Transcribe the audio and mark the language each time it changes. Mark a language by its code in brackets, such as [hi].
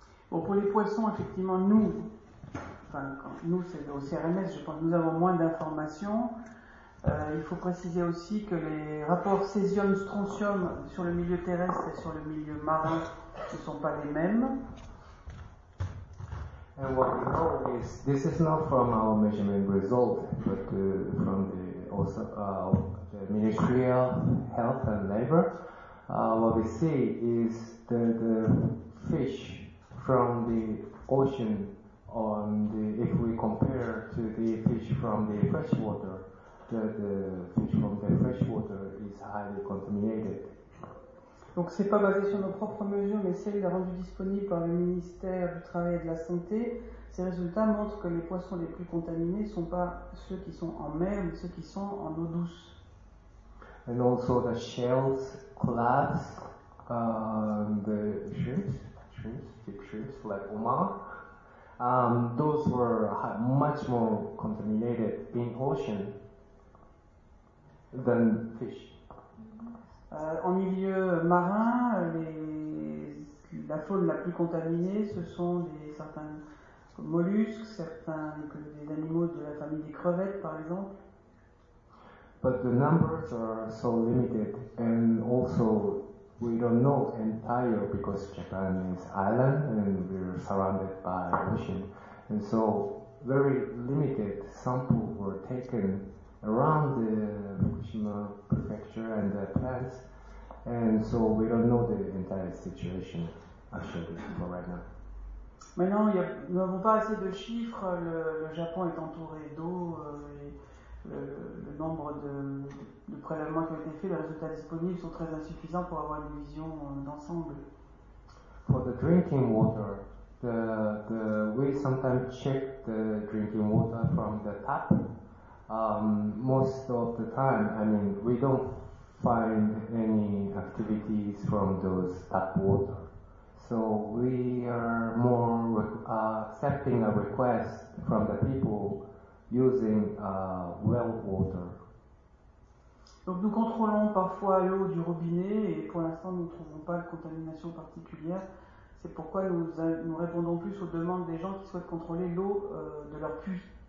[fr] Bon, pour les poissons, effectivement, nous, c'est au CRMS, je pense que nous avons moins d'informations. Il faut préciser aussi que les rapports césium-strontium sur le milieu terrestre et sur le milieu marin ne sont pas les mêmes. [en] And what we know is this is not from our measurement result, but from the also the Ministry of Health and Labor. What we see is the fish from the ocean on the if we compare to the fish from the freshwater. The fish from the fresh water is highly contaminated. [fr] Donc c'est pas basé sur nos propres mesures, mais celles rendues disponibles par le ministère du Travail et de la Santé. Ces résultats montrent que les poissons les plus contaminés sont pas ceux qui sont en mer, mais ceux qui sont en eau douce. [en] And also the shells collapse, the shrimps, deep shrimps like Omar. Those were much more contaminated in ocean. Than fish. [fr] En milieu marin, la faune la plus contaminée, ce sont certains mollusques, des animaux de la famille des crevettes, par exemple. [en] But the numbers are so limited, and also we don't know entire because Japan is island and we're surrounded by ocean, and so very limited samples were taken. Around the Fukushima prefecture and the plants, and so we don't know the entire situation actually for right now. [fr] Maintenant, nous n'avons pas assez de chiffres. Le Japon est entouré d'eau, et le nombre de prélèvements qui ont été faits, les résultats disponibles sont très insuffisants pour avoir une vision d'ensemble. [en] For the drinking water, the we sometimes check the drinking water from the tap. Most of the time, I mean, we don't find any activities from those tap water. So we are more accepting a request from the people using well water. [fr] Donc nous contrôlons parfois l'eau du robinet et pour l'instant nous ne trouvons pas de contamination particulière. C'est pourquoi nous répondons plus aux demandes des gens qui souhaitent contrôler l'eau de leur puits.